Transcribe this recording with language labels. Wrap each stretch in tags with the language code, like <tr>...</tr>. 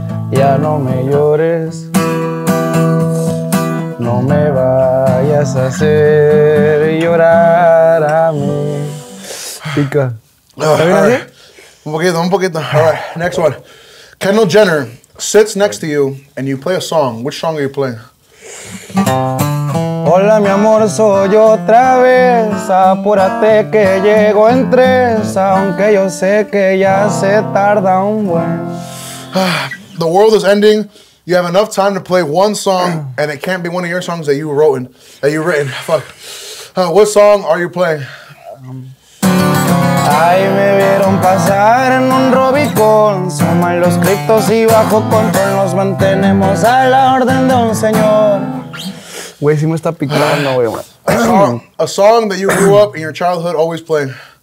<es>Ya no me llores, no me vayas a hacer llorar a mí. Pica.</es> <en>Right.</en> <es>Un poquito.</es> <en>All right, next one. Kendall Jenner sits next to you and you play a song. Which song are you playing?</en> <es>Hola, mi amor, soy otra vez. Apúrate que llego en tres. Aunque yo sé que ya se tarda un buen.</es> <en>The world is ending. You have enough time to play one song, and it can't be one of your songs that you wrote and that you written. Fuck. What song are you playing?</en> <es>Ay, me vieron pasar en un Rubicón. Son malos criptos y bajo control. Nos mantenemos a la orden de un señor. Güey, si me está picando, güey.</es> <en>A song that you grew up in your childhood always playing.</en>